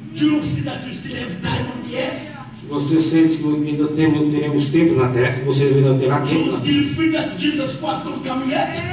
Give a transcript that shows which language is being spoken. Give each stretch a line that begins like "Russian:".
English: Do you feel that you still have time on the earth?
Portuguese: Se você sente que ainda teremos tempo na terra, você ainda terá tempo.
English: Do you still feel that Jesus Christ don't come yet?